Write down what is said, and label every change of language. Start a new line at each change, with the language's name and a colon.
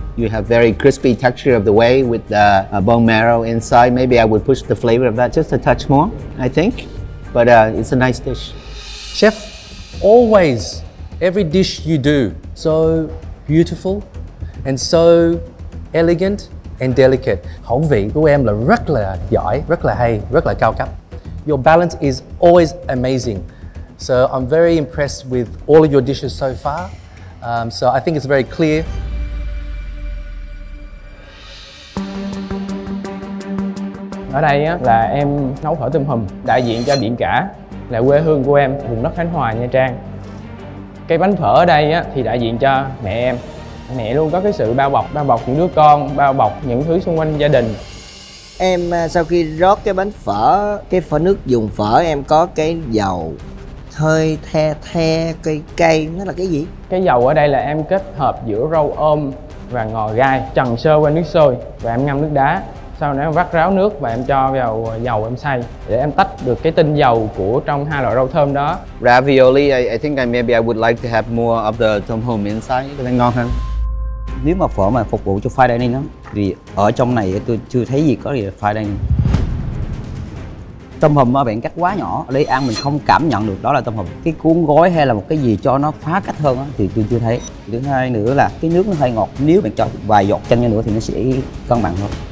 English: You have very crispy texture of the whey with the bone marrow inside. Maybe I would push the flavor of that just a touch more, I think. But it's a nice dish. Chef, always, every dish you do, so beautiful and so elegant and delicate.
Vietnamese: Hậu vị của em là rất là giỏi, rất là hay, rất là cao cấp.
English: Your balance is always amazing. So I'm very impressed with all of your dishes so far. So I think it's very clear.
Vietnamese: Ở đây á, là em nấu phở tôm hùm đại diện cho biển cả, là quê hương của em, vùng đất Khánh Hòa, Nha Trang. Cái bánh phở ở đây á, thì đại diện cho mẹ em. Mẹ luôn có cái sự bao bọc những đứa con, bao bọc những thứ xung quanh gia đình. Em sau khi rót cái bánh phở, cái phở nước dùng phở em có cái dầu hơi the the cây cây, nó là cái gì? Cái dầu ở đây là em kết hợp giữa rau ôm và ngò gai, trần sơ qua nước sôi và em ngâm nước đá. Sau đó em vắt ráo nước và em cho vào dầu em xay để em tách được cái tinh dầu của trong hai loại rau thơm đó.
English: Ravioli, I think maybe I would like to have more of the tom hùm inside,
Vietnamese: cái này ngon hơn. Nếu mà phở mà phục vụ cho fine dining đó, thì ở trong này tôi chưa thấy gì có gì là fine dining. Tôm hùm mà bạn cắt quá nhỏ, lấy ăn mình không cảm nhận được đó là tôm hùm. Cái cuốn gói hay là một cái gì cho nó phá cách hơn đó, thì tôi chưa thấy. Thứ hai nữa là cái nước nó hơi ngọt, nếu bạn cho vài giọt chanh nữa thì nó sẽ cân bằng hơn.